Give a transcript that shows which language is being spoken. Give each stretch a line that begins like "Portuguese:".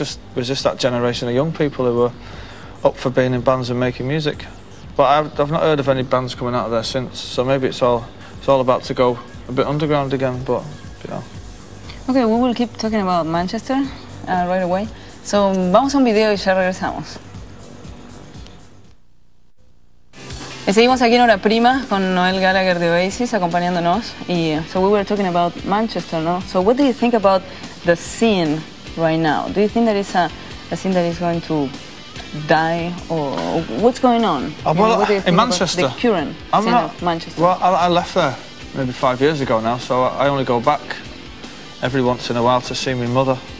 English: It was just that generation of young people who were up for being in bands and making music. But I've not heard of any bands coming out of there since, so maybe it's all about to go a bit underground again, but, you know. Okay, we will keep talking about Manchester right away.
Spanish: So, vamos a un video y ya regresamos. Seguimos aquí en Hora Prima con Noel Gallagher de Oasis acompañándonos.
English: So we were talking about Manchester, no? So what do you think about the scene right now? Do you think there is a scene that is going to die, or what's going on? In Manchester? The current scene of Manchester? Well, I left there maybe 5 years ago now, so I only go back every once in a while to see my mother.